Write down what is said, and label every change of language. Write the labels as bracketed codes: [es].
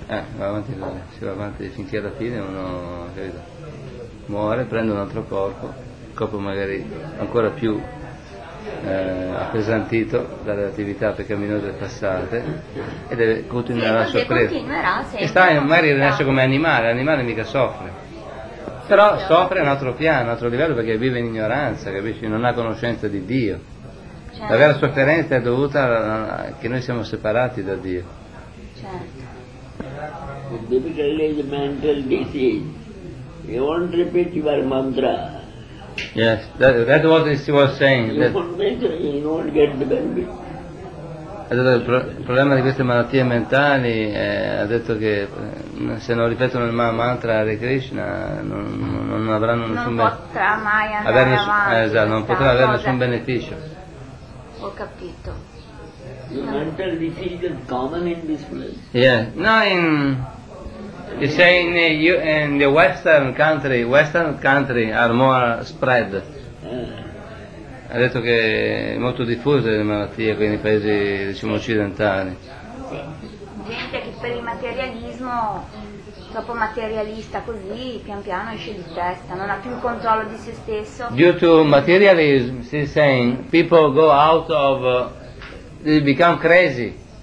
[it] Va avanti così, si va avanti finché alla fine uno muore, prende un altro corpo, un corpo magari ancora più appesantito dalle attività peccaminose passate, e deve continuare a soffrire. Continuerà sempre. E sta magari rinasce come animale, l'animale mica soffre. Però soffre a un altro piano, a un altro livello, perché vive in ignoranza, capisci? Non ha conoscenza di Dio. Certo. La vera sofferenza è dovuta a che noi siamo separati da Dio. Certo. [en] Difficulty is mental disease. You won't repeat your mantra. Yes, that's what she was saying. You that... won't get the benefit. [it] Allora, il problema di queste malattie mentali è, ha detto che se non ripetono il mantra Hare Krishna non avranno nessun beneficio. Non potrà avere nessun beneficio. Ho capito. Il mantra di figlio è [en] common in this place. Yeah. No, in. You say in the Western country are more spread. [it] Ha detto che è molto diffusa le malattie qui nei paesi diciamo occidentali. Sì. Gente che per il materialismo, troppo materialista così, pian piano esce di testa, non ha più il controllo di se stesso. [en] Due to materialism, she's saying, people go out of, they become crazy.